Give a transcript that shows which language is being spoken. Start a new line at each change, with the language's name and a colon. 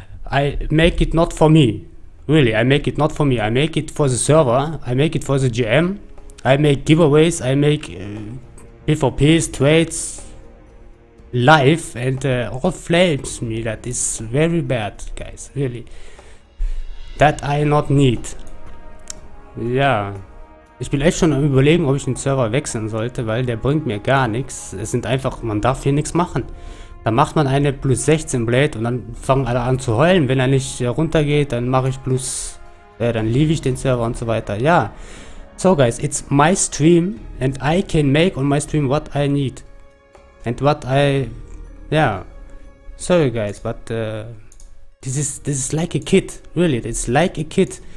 English: I make it not for me. Really, I make it not for me. I make it for the server. I make it for the GM. I make giveaways. I make PvP's, trades. Life and all flames me, that is very bad, guys, really. That I not need.
German: Ja, ich bin echt schon am überlegen, ob ich den Server wechseln sollte, weil der bringt mir gar nichts. Es sind einfach, man darf hier nichts machen. Da macht man eine plus 16 Blade und dann fangen alle an zu heulen. Wenn er nicht runtergeht, dann mache ich plus, dann leave ich den Server und so weiter.
English: Ja, so guys, it's my stream and I can make on my stream what I need. And what I, yeah, sorry guys, but this is like a kid, really, it's like a kid.